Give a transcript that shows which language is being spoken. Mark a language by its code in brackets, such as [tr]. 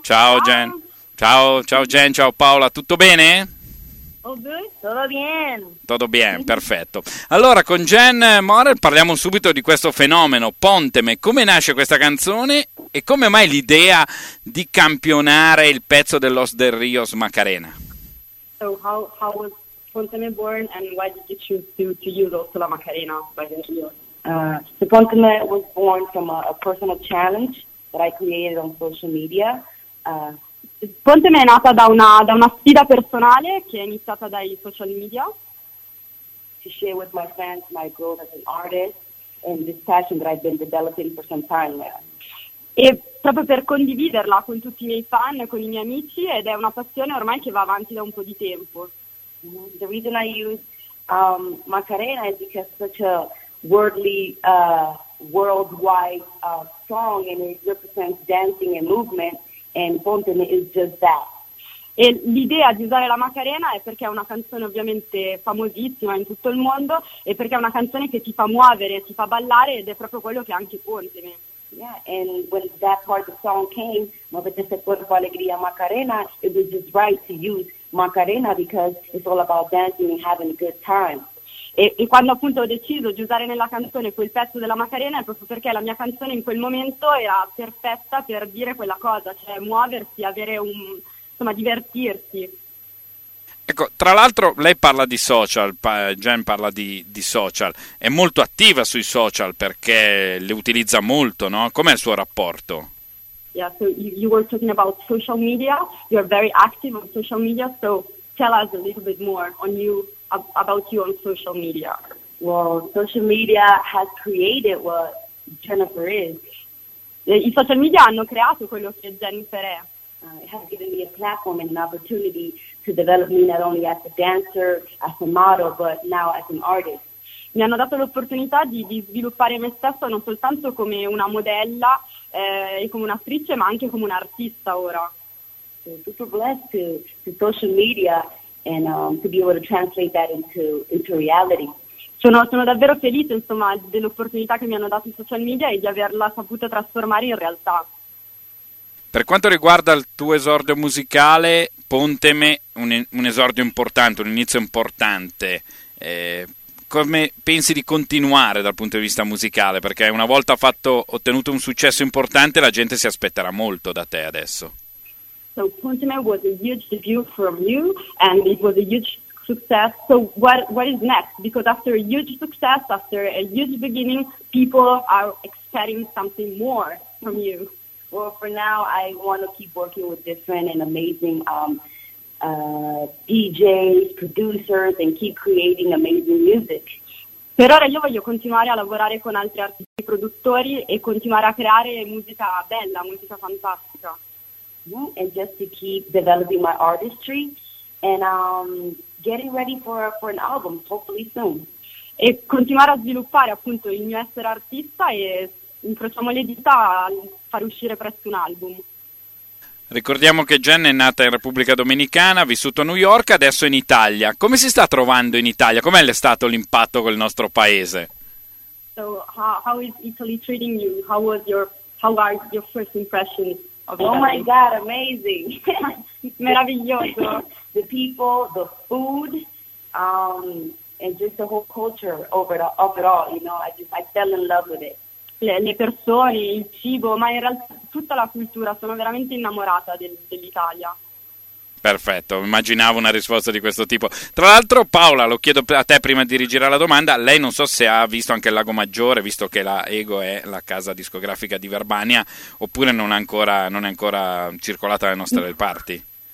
[it] Ciao Jen. Ciao, ciao Jen, ciao Paola, tutto bene? Tutto bene, perfetto. Allora, con Jen Morel parliamo subito di questo fenomeno, Pontemme. Come nasce questa canzone e come mai l'idea di campionare il pezzo del Los del Rios Macarena? [en] So how was Pontemme born and why did you choose to use also La Macarena by Del Rio? So Pontemme was born from a personal challenge that I created on social media. [it] Pontemme è nata da una sfida personale che è iniziata dai social media. [en] To share with my fans my growth as an artist and this passion that I've been developing for some time now. [it] E proprio per condividerla con tutti i miei fan, con i miei amici, ed è una passione ormai che va avanti da un po' di tempo. Mm-hmm. [en] The reason I use Macarena is because it's such a worldly, worldwide song and it represents dancing and movement. And Pontemme is just that. [it] E l'idea di usare la Macarena è perché è una canzone ovviamente famosissima in tutto il mondo e perché è una canzone che ti fa muovere, ti fa ballare ed è proprio quello che è anche Pontemme. [en] Yeah, and when that part of the song came, [es] Movetese Cuerpo Alegría Macarena, [en] it was just right to use Macarena because it's all about dancing and having a good time. [it] E quando appunto ho deciso di usare nella canzone quel pezzo della Macarena è proprio perché la mia canzone in quel momento era perfetta per dire quella cosa, cioè muoversi, avere un, insomma, divertirsi. Ecco, tra l'altro lei parla di social, Jen parla di social, è molto attiva sui social perché le utilizza molto, no? Com'è il suo rapporto? [en] Yeah, so you were talking about social media, you're very active on social media, so tell us a little bit more on you. About you on social media. Well, social media has created what Jennifer is. [it] I social media hanno creato quello che Jennifer è. [en] It has given me a platform and an opportunity to develop me not only as a dancer, as a model, but now as an artist. [it] Mi hanno dato l'opportunità di sviluppare me stessa non soltanto come una modella e come un'attrice, ma anche come un'artista ora. [en] So, super blessed to social media. And to be able to translate that into reality. [it] Sono davvero felice, insomma, dell'opportunità che mi hanno dato i social media e di averla saputa trasformare in realtà. Per quanto riguarda il tuo esordio musicale, Pontemme, un esordio importante, un inizio importante. Come pensi di continuare dal punto di vista musicale? Perché una volta ottenuto un successo importante, la gente si aspetterà molto da te adesso. [en] So Pontemme was a huge debut from you, and it was a huge success. So what is next? Because after a huge success, after a huge beginning, people are expecting something more from you. Well, for now, I want to keep working with different and amazing DJs, producers, and keep creating amazing music. [it] Per ora io voglio continuare a lavorare con altri artisti produttori e continuare a creare musica bella, musica fantastica. [en] And just to keep developing my artistry and getting ready for an album, hopefully soon. [it] E continuare a sviluppare appunto il mio essere artista e incrociamo le dita a far uscire presto un album. Ricordiamo che Jen è nata in Repubblica Dominicana, ha vissuto a New York, adesso in Italia. Come si sta trovando in Italia? Com'è stato l'impatto col nostro paese? [en] So how is Italy treating you? How are your first impressions? Oh my God, amazing. [it] Meraviglioso. [en] The people, the food, and just the whole culture of it all, you know, I fell in love with it. [it] Le persone, il cibo, ma in realtà tutta la cultura, sono veramente innamorata dell'Italia. Perfetto, immaginavo una risposta di questo tipo. Tra l'altro, Paola, lo chiedo a te prima di rigirare la domanda, lei non so se ha visto anche il Lago Maggiore, visto che la Ego è la casa discografica di Verbania, oppure non è ancora circolata nelle nostre parti?